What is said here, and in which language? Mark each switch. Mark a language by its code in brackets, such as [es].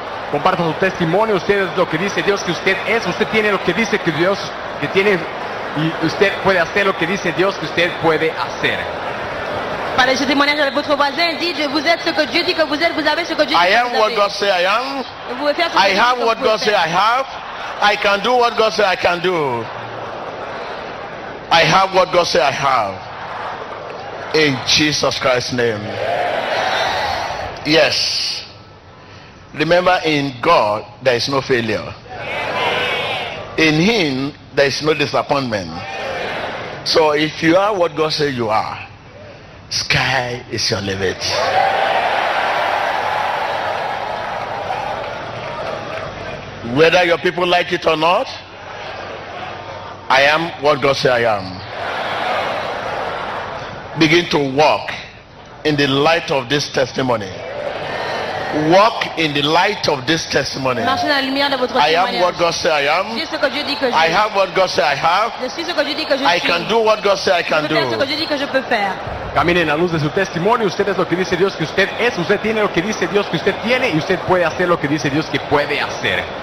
[es] Comparta su testimonio, usted es lo que dice Dios que usted es, usted tiene lo que dice que Dios que tiene y usted puede hacer lo que dice Dios que usted puede hacer. Para ese testimonio de [fr] votre voisin, [es] dice, [fr] vous êtes ce que Dieu dit que vous êtes, vous avez ce que Dieu dit. [en] I am what God say I am. I have what God say I have. I can do what God say I can do. I have what God say I have. In Jesus Christ's name. Yes. Remember, in God, there is no failure. In Him, there is no disappointment. So if you are what God says you are, sky is your limit. Whether your people like it or not, I am what God says I am. Begin to walk in the light of this testimony. Walk in the light of this testimony. I am what God says I am. I have what God says I have. I can do what God says I can do. [es] Camine en la luz de su testimonio. Usted es lo que dice Dios que usted es. Usted tiene lo que dice Dios que usted tiene. Y usted puede hacer lo que dice Dios que puede hacer.